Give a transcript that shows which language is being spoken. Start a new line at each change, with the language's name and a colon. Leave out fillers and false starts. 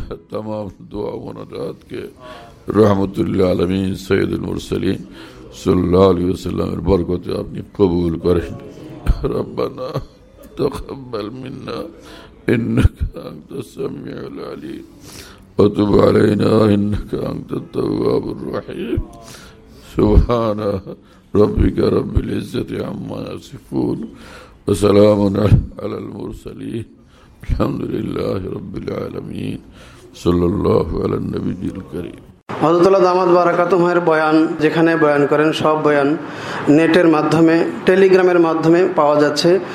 Bangla: তমাম দোয়া মোনাজাতকে রহমতুল্লাহ আলমিন সৈয়দুল মুরসালিন সাল্লাল্লাহু আলাইহি ওয়াসাল্লামের বরকতে আপনি কবুল করেন।
Arabic: রব্বানা তাকাব্বাল মিন্না ইন্নাকা আনতাস সামিউল আলীম ওয়া তুব আলাইনা ইন্নাকা আনতাত তাওয়াবুর রহিম। سبحان ربك رب العزة عما يصفون وسلام على المرسلين الحمد لله رب العالمين صلى الله على النبي الكريم।
Bangla: হযরতুল্লাহ দামাত বারাকাতুহুর বয়ান যেখানে বয়ান করেন সব বয়ান নেটের মাধ্যমে টেলিগ্রামের মাধ্যমে পাওয়া যাচ্ছে।